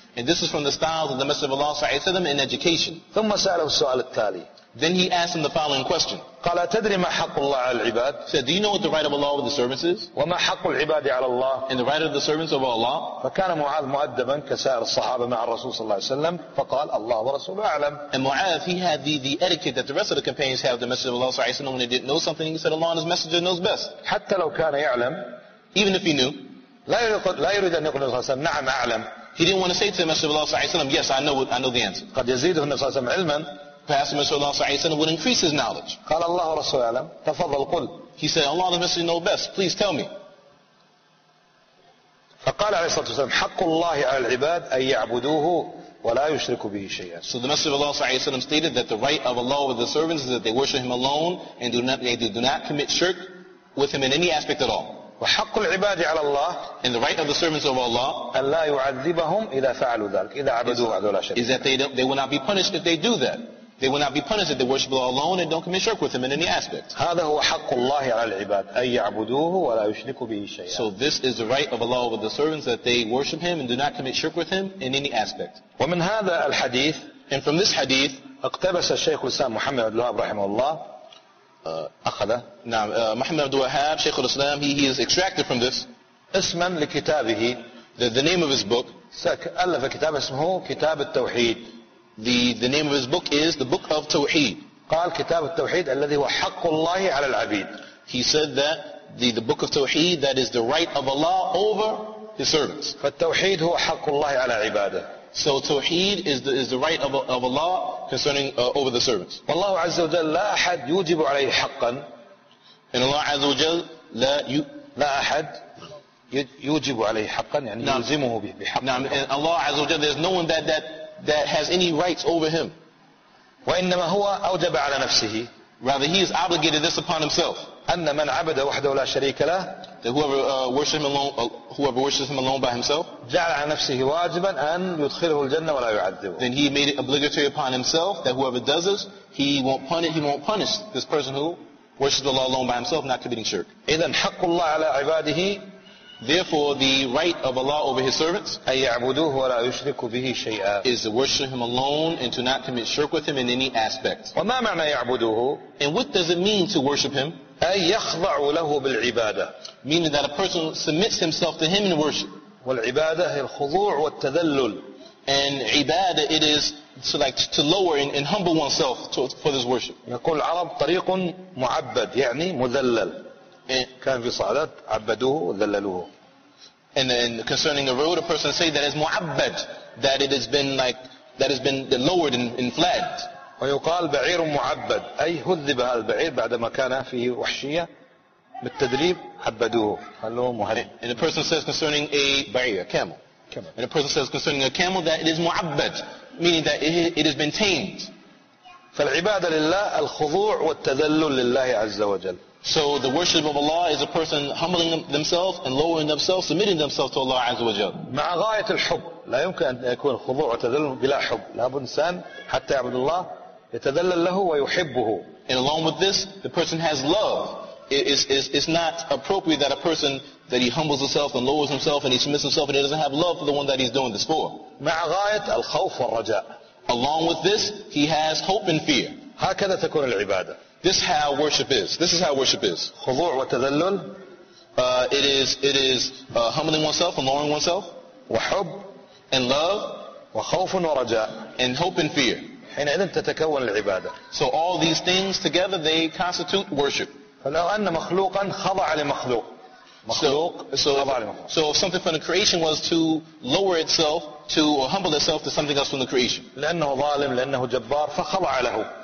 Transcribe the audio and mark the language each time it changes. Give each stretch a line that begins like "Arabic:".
English: And this is from the styles of the messenger of Allah صلى الله عليه وسلم in education.
Arabic: ثم سأله السؤال التالي.
English: Then he asked him the following question.
Arabic: قال أتدري ما حق الله على العباد؟
English: He said, do you know what the right of Allah over the servants is?
Arabic: وما حق العباد على الله؟
English: And the right of the servants over Allah.
Arabic: فكان معاذ مؤدبا كسائر الصحابة مع الرسول صلى الله عليه وسلم فقال الله ورسوله أعلم.
English: And معاذ, he had the etiquette that the rest of the companions have, the messenger of Allah صلى الله عليه وسلم, when they didn't know something, he said, Allah and His messenger knows best.
Arabic: حتى لو كان يعلم.
English: Even if he knew.
Arabic: لا يريد أن يقول صلى الله عليه وسلم نعم أعلم.
English: He didn't want to say to the messenger of Allah صلى الله عليه وسلم, yes, I know the answer.
Arabic: قد يزيده النبي صلى الله عليه وسلم علما.
English: Perhaps the Messenger of Allah صلى الله عليه وسلم would increase his knowledge.
Arabic: قال الله ورسوله أعلم. تفضل قل.
English: He said, Allah the Messenger know best. Please tell me.
Arabic: فقال عليه الصلاة والسلام حق الله على العباد أن يعبدوه ولا يشركوا به شيئا.
English: So the Messenger of Allah صلى الله عليه وسلم stated that the right of Allah with the servants is that they worship Him alone and do not commit shirk with Him in any aspect at all.
Arabic: وحق العباد على الله.
English: And the right of the servants of Allah.
Arabic: أن لا يعذبهم إذا فعلوا ذلك إذا عبدوا بعد ولا شيء.
English: Is that they will not be punished if they do that. They will not be punished if they worship Allah alone and don't commit shirk with Him in any aspect.
Arabic: هذا هو حق الله على العباد أن يعبدوه ولا يشركوا به شيئا.
English: So this is the right of Allah over the servants that they worship Him and do not commit shirk with Him in any aspect.
Arabic: ومن هذا الحديث.
English: And from this hadith.
Arabic: اقتبس الشيخ الإسلام محمد عبد الوهاب رحمه الله. أخذ. نعم. محمد عبد الوهاب شيخ الإسلام.
English: He is extracted from this.
Arabic: اسما لكتابه.
English: The name of his book.
Arabic: ألف كتاب اسمه كتاب التوحيد.
English: The name of his book is the Book of Tawheed.
Arabic: قال كتاب التوحيد الذي هو حق الله على العبيد.
English: He said that the Book of Tawheed that is the right of Allah over His servants.
Arabic: فالتوحيد هو حق الله على عباده.
English: So Tawheed is the right of Allah concerning over the servants.
Arabic: والله عز وجل لا أحد يوجب عليه حقا.
English: And Allah عز وجل
Arabic: لا أحد يوجب عليه حقا يعني نعم. يلزمه بحق.
English: نعم. And Allah عز وجل there's no one that has any rights over him.
Arabic: وإنما هو أوجب على نفسه.
English: Rather, he has obligated this upon himself.
Arabic: أن من عبد وحده لا شريك له.
English: That whoever worships him alone by himself.
Arabic: جعل على نفسه واجبا أن يدخله الجنة ولا يعذبه.
English: Then he made it obligatory upon himself that whoever does this, he won't punish this person who worships Allah alone by himself, not committing shirk.
Arabic: إذن حق الله على عباده.
English: Therefore, the right of Allah over His servants
Arabic: أن يعبدوه ولا يشركوا به شيئا
English: is to worship Him alone and to not commit shirk with Him in any aspect.
Arabic: وما معنى يعبدوه?
English: And what does it mean to worship Him?
Arabic: أن يخضع له بالعبادة.
English: Meaning that a person submits himself to Him in worship.
Arabic: والعبادة هي الخضوع والتذلل.
English: And عبادة, it is to like to lower and humble oneself for this worship.
Arabic: يقول العرب طريق معبد يعني مذلل. كان في صعدات عبدوه ذللوه.
English: And concerning the road, a person say that is mu'abbad, that it has been like that has been lowered and fled.
Arabic: ويقال بعير مُعَبَّد أي هذب هذا البعير بعدما كان فيه وحشية بالتدريب عبدوه خلوه مهرب.
English: And a person says concerning a بعير camel. And a person says concerning a camel that it is mu'abbad, meaning that it has been tamed.
Arabic: فالعبادة لله الخضوع والتذلل لله عز وجل.
English: So the worship of Allah is a person humbling themselves and lowering themselves, submitting themselves to Allah Azza wa Jal.
Arabic: مع غاية الحب لا يمكن أن يكون خضوع وتذلل بلا حب. لابد إنسان حتى يعبد الله يتذلل له ويحبه.
English: And along with this, the person has love. It's not appropriate that a person that he humbles himself and lowers himself and he submits himself and he doesn't have love for the one that he's doing this for.
Arabic: مع غاية الخوف والرجاء.
English: Along with this, he has hope and fear.
Arabic: هكذا تكون العبادة.
English: This is how worship is.
Arabic: خضوع وتذلل.
English: It is humbling oneself and lowering oneself.
Arabic: وحب.
English: And love.
Arabic: وخوف ورجاء.
English: And hope and fear.
Arabic: حينئذ تتكون العبادة.
English: So all these things together they constitute worship.
Arabic: فلو أن مخلوقا خضع لمخلوق. مخلوق خضع لمخلوق.
English: So if something from the creation was to lower itself to or humble itself to something else from the creation.
Arabic: لأنه ظالم لأنه جبار فخضع له.